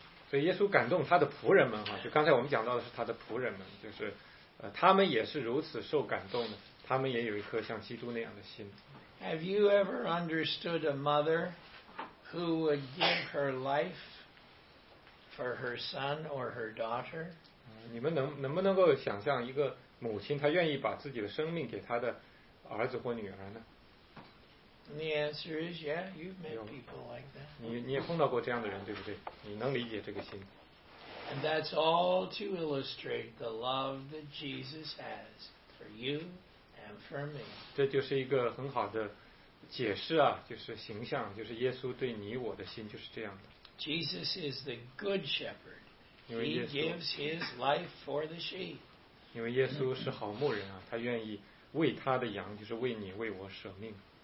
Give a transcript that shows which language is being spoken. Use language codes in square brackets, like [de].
[zh] 所以耶稣感动他的仆人们哈，就刚才我们讲到的是他的仆人们，就是他们也是如此受感动的，他们也有一颗像基督那样的心。 [en] Have you ever understood a mother who would give her life for her son or her daughter? [zh] 你们能不能够想象一个母亲她愿意把自己的生命给她的儿子或女儿呢？ [en] The answer is, yeah, you've met people like that. [zh] 你也碰到过这样的人，对不对？你能理解这个心。 [en] And that's all to illustrate the love that Jesus has for you and for me. [zh] 这就是一个很好的解释啊，就是形象，就是耶稣对你我的心就是这样的。 [en] Jesus is the good shepherd. He gives his life for the sheep. [zh] 因为耶稣是好牧人啊，他愿意为他的羊，就是为你为我舍命。